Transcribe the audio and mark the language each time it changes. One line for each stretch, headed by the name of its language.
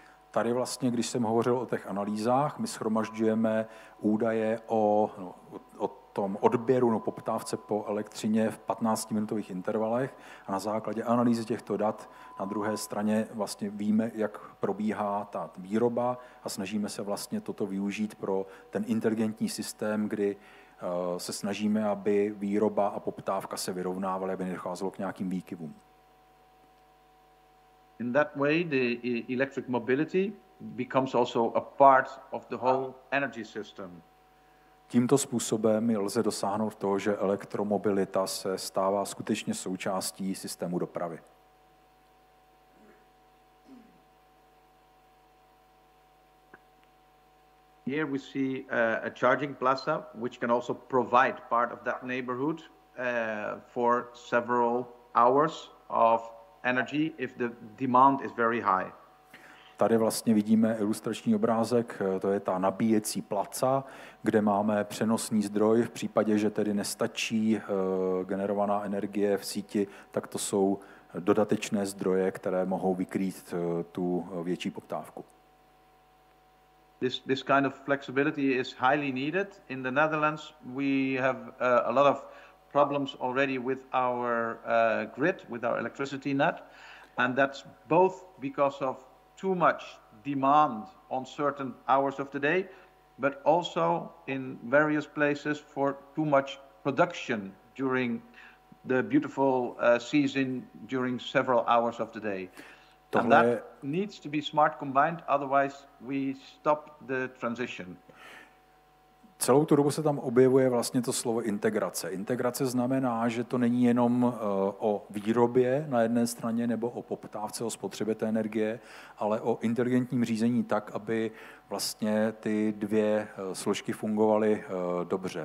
Czech: Tady vlastně, když jsem hovořil o těch analýzách, my shromažďujeme údaje o tom odběru, no poptávce po elektřině v 15-minutových intervalech a na základě analýzy těchto dat na druhé straně vlastně víme, jak probíhá ta výroba a snažíme se vlastně toto využít pro ten inteligentní systém, kdy se snažíme, aby výroba a poptávka se vyrovnávaly, aby nedocházelo k nějakým výkyvům.
English: In that way, the electric mobility becomes also a part of the whole energy system.
Czech: Tímto způsobem lze dosáhnout toho, že elektromobilita se stává skutečně součástí systému dopravy.
English: Here we see a charging plaza, which can also provide part of that neighborhood for several hours of energy if the demand is very high.
Czech: Tady vlastně vidíme ilustrační obrázek, to je ta nabíjecí placa, kde máme přenosný zdroj. V případě, že tedy nestačí generovaná energie v síti, tak to jsou dodatečné zdroje, které mohou vykrýt tu větší poptávku.
English: This kind of flexibility is highly needed. In the Netherlands, we have a lot of problems already with our grid, with our electricity net, and that's both because of too much demand on certain hours of the day, but also in various places for too much production during the beautiful season during several hours of the day.
Czech: Tohle
English: and that needs to be smart combined, otherwise we stop the transition.
Czech: Celou tu dobu se tam objevuje vlastně to slovo integrace. Integrace znamená, že to není jenom o výrobě na jedné straně nebo o poptávce, o spotřebě té energie, ale o inteligentním řízení tak, aby vlastně ty dvě složky fungovaly dobře.